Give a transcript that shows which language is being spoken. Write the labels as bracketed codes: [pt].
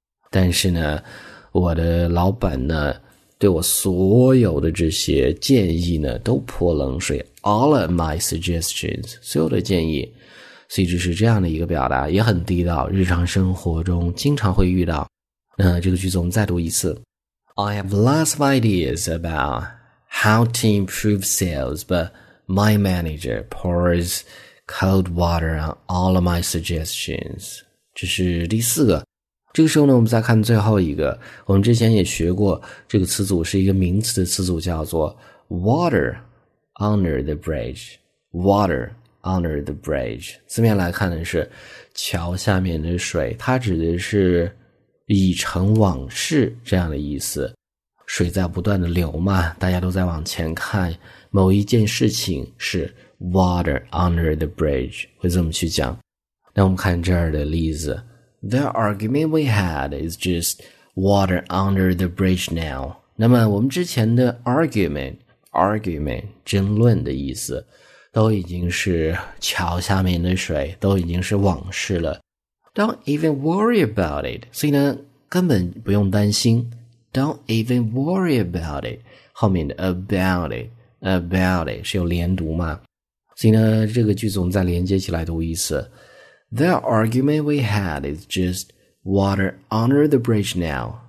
[zh] 但是呢，我的老板呢，对我所有的这些建议呢，都泼冷水。 [en] All of my suggestions， [zh] 所有的建议。所以这是这样的一个表达，也很地道，日常生活中经常会遇到。那这个句子我们再读一次。 [en] I have lots of ideas about how to improve sales, but... My manager pours cold water on all of my suggestions. [zh] 这是第四个。这个时候呢，我们再看最后一个。我们之前也学过这个词组，是一个名词的词组，叫做 [en] water under the bridge. Water under the bridge. [zh] 字面来看的是桥下面的水，它指的是已成往事这样的意思。水在不断的流嘛，大家都在往前看，某一件事情是 [en] water under the bridge， [zh] 会这么去讲。那我们看这儿的例子， [en] The argument we had is just water under the bridge now。 [zh] 那么我们之前的 argument 争论的意思，都已经是桥下面的水，都已经是往事了。 [en] Don't even worry about it. [zh] 所以呢，根本不用担心。 [en] Don't even worry about it. [zh] 后面的 [en] about it, about it [zh] 是有连读嘛？所以呢，这个句子我们再连接起来读一次。 [en] The argument we had is just water under the bridge now.